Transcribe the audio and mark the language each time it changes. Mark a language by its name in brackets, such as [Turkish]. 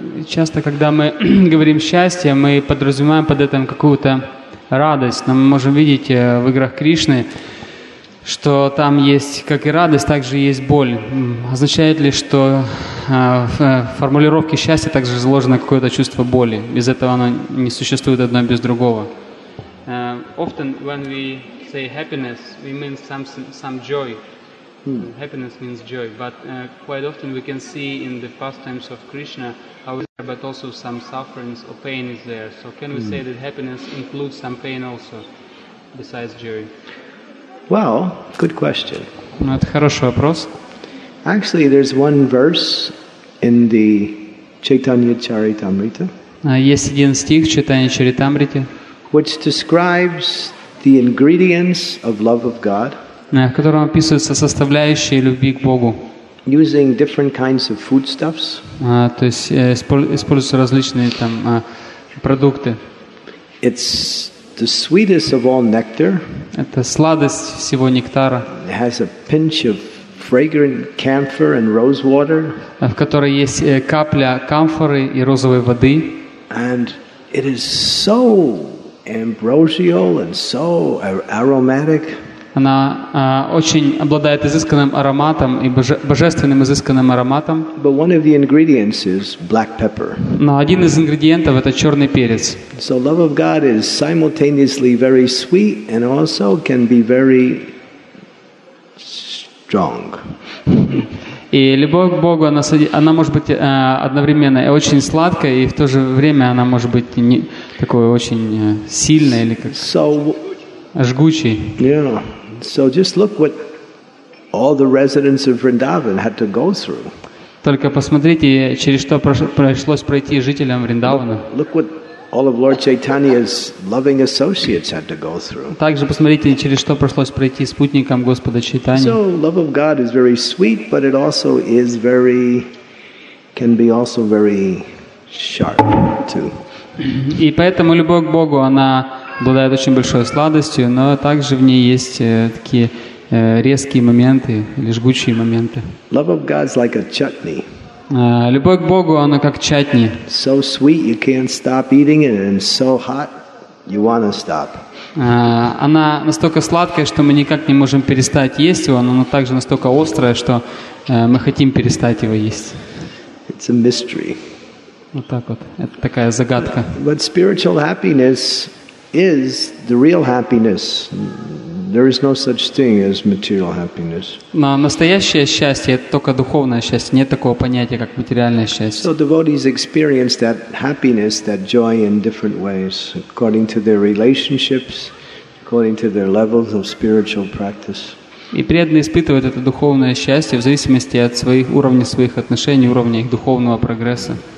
[Russian] Часто, когда мы говорим «счастье», мы подразумеваем под этим какую-то радость. Но мы можем видеть в играх Кришны, что там есть, как и радость, также есть боль. Означает ли, что в формулировке «счастья» также заложено какое-то чувство боли? Без этого оно не существует одно без другого. [English] Often when we say happiness, we mean some joy. Hmm. Happiness means joy. But quite often we can see in the pastimes of Krishna but also some suffering or pain is there. So can we say that happiness includes some pain also, besides joy? Well, good question. [Russian] Ну, это хороший вопрос. [English] Actually, there's one verse in the Chaitanya Charitamrita. [Russian] Есть один стих в Чайтанья Чаритамрите, [English] which describes the ingredients of love of God. [Russian] В котором описываются составляющие любви к Богу. [English] Using different kinds of foodstuffs. [Russian] То есть используются различные там продукты. [English] It's the sweetest of all nectar. [Russian] Это сладость всего нектара. [English] It has a pinch of fragrant camphor and rose water. [Russian] В которой есть капля камфоры и розовой воды. [English] And it is so ambrosial and so aromatic. [Russian] Она очень обладает изысканным ароматом и божественным изысканным ароматом. [English] But one of the ingredients is black pepper. [Russian] Но один из ингредиентов — это черный перец. [English] So love of God is simultaneously very sweet and also can be very strong. [Russian] И любовь к Богу, она может быть одновременно и очень сладкой, и в то же время она может быть не такой очень сильной или как жгучей. [English] Yeah. So just look what all the residents of Vrindavan had to go through. [Russian] Только посмотрите, через что пришлось пройти жителям Вриндавана. [English] Look what all of Lord Chaitanya's loving associates had to go through. [Russian] Также посмотрите, через что пришлось пройти спутникам Господа Чайтаньи. [English] So love of God is very sweet, but it also is very, can be also very sharp too. [Russian] И поэтому любовь к Богу, она обладает очень большой сладостью, но также в ней есть такие резкие моменты или жгучие моменты. [English] Love of God is like a chutney. [Russian] Любовь к Богу, она как чатни. [English] So sweet you can't stop eating it, and so hot you want to stop. [Russian] Она настолько сладкая, что мы никак не можем перестать есть его, но она также настолько острая, что мы хотим перестать его есть. [English] It's a mystery. [Russian] Вот так вот. Это такая загадка. [English] But spiritual happiness is the real happiness, There is no such thing as material happiness. [Russian] Но настоящее счастье это только духовное счастье, нет такого понятия как материальное счастье. [English] So devotees experience that happiness, that joy in different ways according to their relationships, according to their levels of spiritual practice. [Russian] И преданные испытывают это духовное счастье в зависимости от своих уровней своих отношений, уровня их духовного прогресса.